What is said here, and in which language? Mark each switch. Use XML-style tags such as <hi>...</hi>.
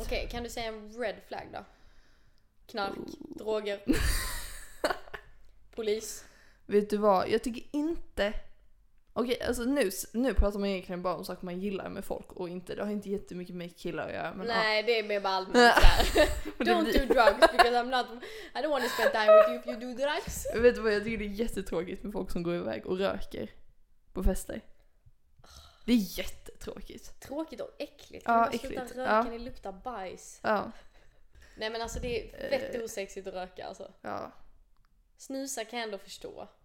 <sv>Okej, okay, kan du säga en</sv> <en>red flag</en> <sv>då? Knark, droger, polis. Vet du vad? Jag tycker inte Okej, alltså nu pratar man egentligen bara om saker man gillar med folk och inte. Det har inte jättemycket med killar att göra. Men, nej, det är mer bara allt med det.</sv> <en>Don't do drugs because I'm not... I don't want to spend time with you if you do drugs.</en> <sv>Vet du vad, jag tycker det är jättetråkigt med folk som går iväg och röker på fester. Det är jättetråkigt. Tråkigt och äckligt. Ja, äckligt. Sluta röka, ja. Ni luktar bajs. Ja. Nej, men alltså det är fett osexigt att röka alltså. Ja. Snusa kan jag ändå förstå.</sv>